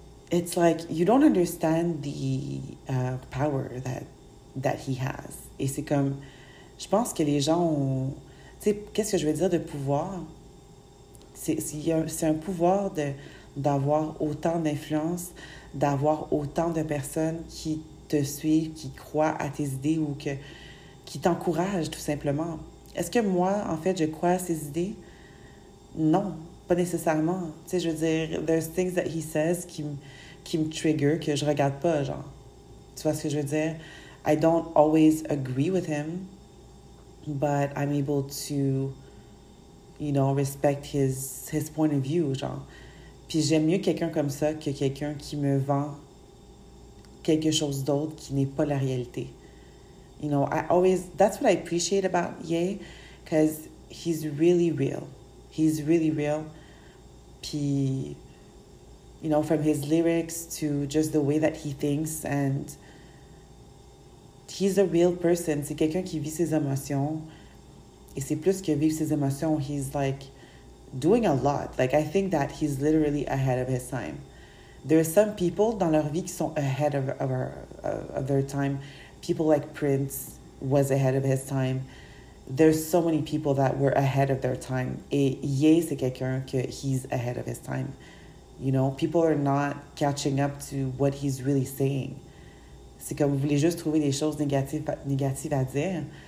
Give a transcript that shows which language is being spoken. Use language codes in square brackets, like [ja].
[en] It's like you don't understand the power that he has. [fr] Et c'est comme, je pense que les gens ont, tu sais, qu'est-ce que je veux dire de pouvoir? C'est un pouvoir d'avoir autant d'influence, d'avoir autant de personnes qui te suivent, qui croient à tes idées ou qui t'encouragent tout simplement. Est-ce que moi, en fait, je crois à ces idées? Non, pas nécessairement. Tu sais, je veux dire, [en] there's things that he says [fr] qui me trigger, que je regarde pas, genre. Tu vois ce que je veux dire? [en] I don't always agree with him, but I'm able to, respect his point of view, genre. [fr] Puis j'aime mieux quelqu'un comme ça que quelqu'un qui me vend quelque chose d'autre qui n'est pas la réalité. [en] That's what I appreciate about Ye, because he's really real. He's really real. Puis, from his lyrics to just the way that he thinks, and he's a real person. [fr] C'est quelqu'un qui vit ses émotions. Et c'est plus que vivre ses émotions. [en] He's like doing a lot. Like, I think that he's literally ahead of his time. There are some people [fr] dans leur vie qui sont [en] ahead of their time. People like Prince was ahead of his time. There's so many people that were ahead of their time. [fr] Et Ye, c'est quelqu'un que [en] he's ahead of his time. People are not catching up to what he's really saying. [fr] C'est comme, vous voulez juste trouver des choses négatives à dire.